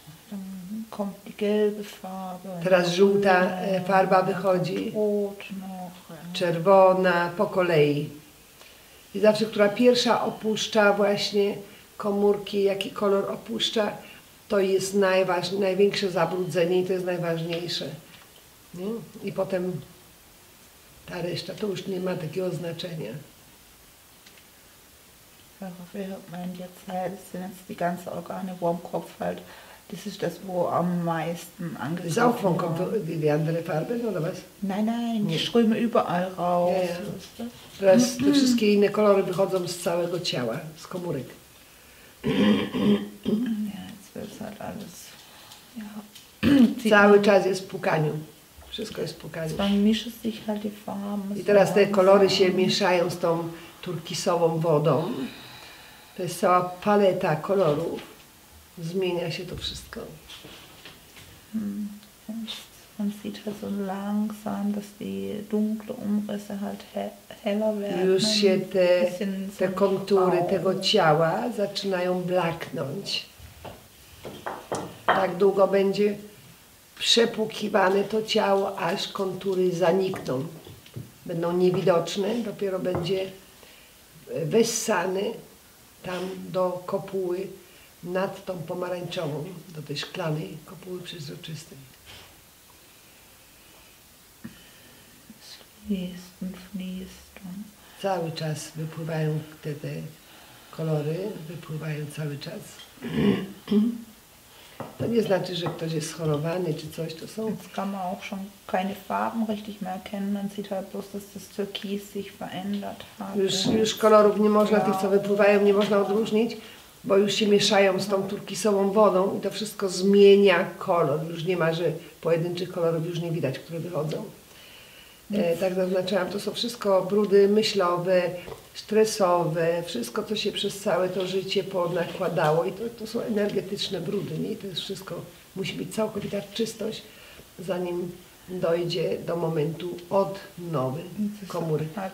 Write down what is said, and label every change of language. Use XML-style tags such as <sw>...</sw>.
<de>Dann kommt die gelbe Farbe.</de> <pl>Teraz żółta farba wychodzi. Czerwona, po kolei. I zawsze, która pierwsza opuszcza właśnie komórki, jaki kolor opuszcza, to jest największe zabrudzenie i to jest najważniejsze. Nie? I potem ta reszta, to już nie ma takiego znaczenia.</pl> <de>Wir hören jetzt halt, das sind jetzt die ganzen Organe, wo am Kopf halt, das ist das, wo am meisten angegriffen wird. Ist auch vom Kopf wie die andere Farbe, oder was? Nein, nein, die strömen überall raus.</de> <pl>Teraz te wszystkie inne kolory wychodzą z całego ciała, z komórek.</pl> <de>Ja, jetzt wird es halt alles. Ja.</de> <pl>Cały czas jest w pukaniu. Wszystko jest w pukaniu.</pl> <de>Dann mischen sich halt die Farben.</de> <pl>I teraz te kolory się mieszają z tą turkisową wodą. To jest cała paleta kolorów. Zmienia się to wszystko.</pl> <de>Man sieht halt so langsam, dass die dunklen Umrisse halt heller werden.</de> <pl>Już się te, te kontury tego ciała zaczynają blaknąć. Tak długo będzie przepłukiwane to ciało, aż kontury zanikną. Będą niewidoczne, dopiero będzie wyssany tam do kopuły nad tą pomarańczową, do tej szklanej kopuły przezroczystej.</pl> <de>Fließt und fließt.</de> <pl>Cały czas wypływają te, te kolory, wypływają cały czas. To nie znaczy, że ktoś jest schorowany czy coś, to są...</pl> <de>Jetzt kann man auch schon keine Farben richtig mehr erkennen, man sieht halt bloß, dass das Türkis sich verändert hat.</de> <pl>Już, już kolorów nie można, tych co wypływają, nie można odróżnić, bo już się mieszają z tą turkisową wodą i to wszystko zmienia kolor. Już nie ma, że pojedynczych kolorów już nie widać, które wychodzą. Tak zaznaczałam, to są wszystko brudy myślowe, stresowe, wszystko, co się przez całe to życie ponakładało i to, to są energetyczne brudy, nie? I to jest wszystko, musi być całkowita czystość, zanim dojdzie do momentu odnowy komóry.</pl>